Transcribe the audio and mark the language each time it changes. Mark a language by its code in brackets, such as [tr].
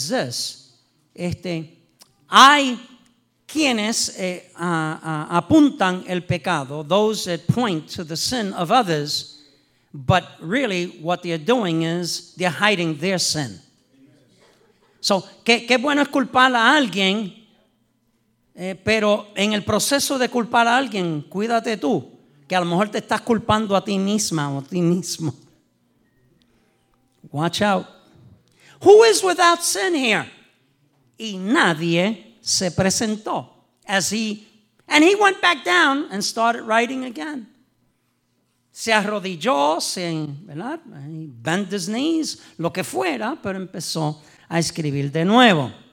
[en] And it is this, [es] hay quienes apuntan el pecado, [en] those that point to the sin of others, but really what they're doing is they're hiding their sin. [es] So, qué bueno es culpar a alguien, pero en el proceso de culpar a alguien, cuídate tú, que a lo mejor te estás culpando a ti misma o a ti mismo. [en] Watch out. Who is without sin here? [es] Y nadie se presentó. [en] And he went back down and started writing again. [es] Se arrodilló, ¿verdad? [en] He bent his knees, [es] lo que fuera, pero empezó a escribir de nuevo.